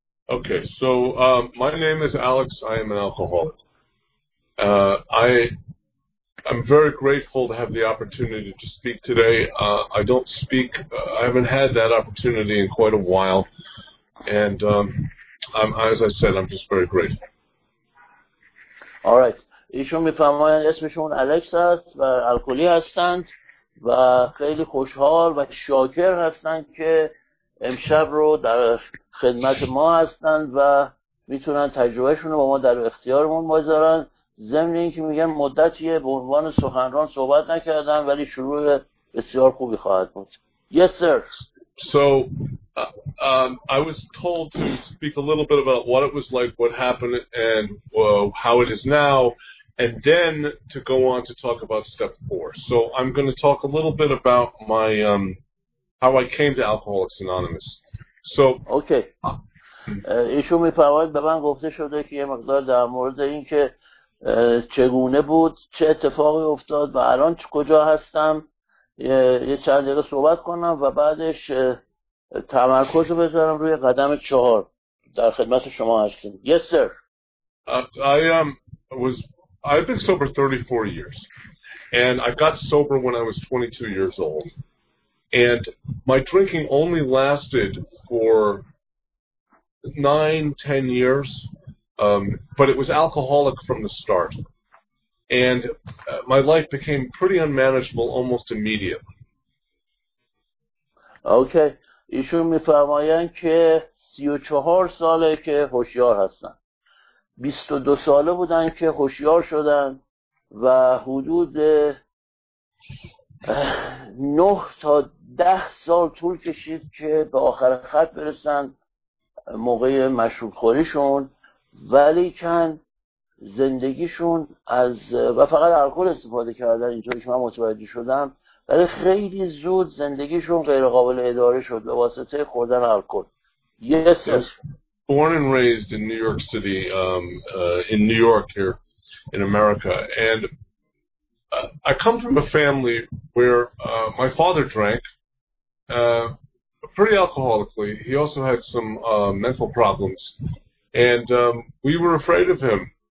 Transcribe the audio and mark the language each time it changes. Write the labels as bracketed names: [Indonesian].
[English] Okay. So, my name is Alex. I am an alcoholic. I'm very grateful to have the opportunity to speak today. I don't speak, I haven't had that opportunity in quite a while. And as I said, I'm just very grateful. [Persian] آره [English] right. [Persian] ایشون میفرمایند اسمشون الکس است و الکلی هستند و خیلی خوشحال و شاکر هستند که امشب رو در خدمت ما هستند و میتونن تجربهشون رو با ما در اختیارمون بذارن، ضمن اینکه میگن مدتیه به عنوان سخنران صحبت نکردن ولی شروع بسیار خوبی خواهد بود. [English] Yes sir. So I was told to speak a little bit about what it was like, what happened, and how it is now, and then to go on to talk about step four. So I'm going to talk a little bit about my how I came to Alcoholics Anonymous. So okay. [Persian] ایشون میفرماید به من گفته شده که یه مقدار در مورد اینکه چگونه بود، چه اتفاقی افتاد و الان کجا هستم یه چند دقیقه صحبت کنم و بعدش تمرکز رو بذارم روی قدم چهار. در خدمت شما هستیم. [English] Yes sir. I've been sober 34 years and I got sober when I was 22 years old. And my drinking only lasted for 9-10 years, but it was alcoholic from the start. And my life became pretty unmanageable almost immediately. [Persian] Okay. ایشون میفرماین که 34 ساله که هوشیار هستن. 22 ساله بودن که هوشیار شدن و حدود 9 تا 10 سال طول کشید که به آخر خط برسن موقع مشروب خوریشون، ولی کن زندگیشون از و فقط الکل استفاده کردن اینطوری که من متوجه شدم، ولی خیلی زود زندگیشون غیر قابل اداره شد به واسطه خوردن الکل. [English] Yes, yes. Born and raised in New York City, in New York here in America, and I come from a family where my father drank pretty alcoholically. He also had some mental problems, and we were afraid of him.